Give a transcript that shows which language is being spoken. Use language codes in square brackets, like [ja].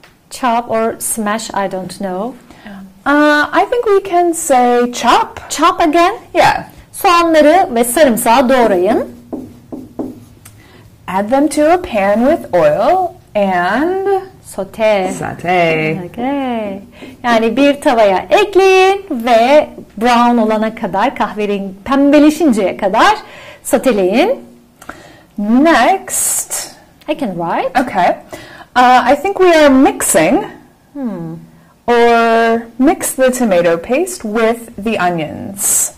[en] Chop or smash, I don't know. I think we can say chop. Chop again? Yeah. [tr] Soğanları ve sarımsağı doğrayın. [en] Add them to a pan with oil and... Sauté. Sauté. Okay. [tr] Yani bir tavaya ekleyin ve brown olana kadar, kahverengi pembeleşinceye kadar sauteleyin. [en] Next. I can write. Okay. I think we are mixing or mix the tomato paste with the onions.